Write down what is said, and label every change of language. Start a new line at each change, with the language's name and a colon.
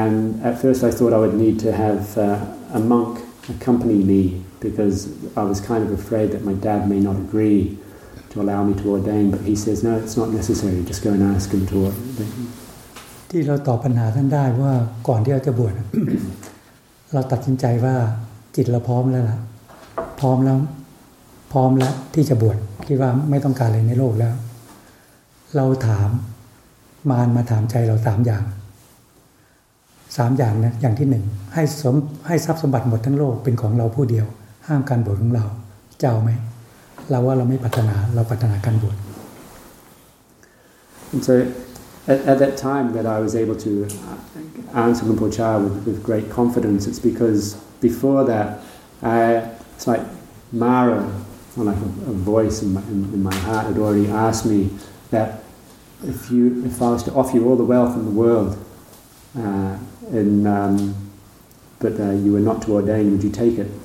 English: And then he just turned around to me and says, yes, that is correct. And he says, this place here, this is your home now. He says, go home and ask for permission to ordain. And at first I thought I would need to have a monk accompany me because I was kind of afraid that my dad may not agree to allow me to ordain. But he says, no, it's not necessary. Just go and ask him to ordain.
Thai: ที่เราตอบปัญหาท่านได้ว่าก่อนที่เราจะบวช เราตัดสินใจว่าจิตเราพร้อมแล้วล่ะพร้อมแล้วพร้อมแล้วที่จะบวชคิดว่าไม่ต้องการอะไรในโลกแล้วเราถามมารมาถามใจเราสามอย่างสามอย่างนะอย่างที่หนึ่งให้ทรัพย์สมบัติหมดทั้งโลกเป็นของเราผู้เดียวห้ามการบวชของเราเจ้าไหมเราว่าเราไม่ปรารถนาเราปรารถนาการบวช
English: and so at that time that I was able to answer Mpocha with great confidence it's because before that it's like Mara or like a voice in my heart had already asked me thatIf I was to offer you all the wealth in the world, but you were not to ordain, would you take it?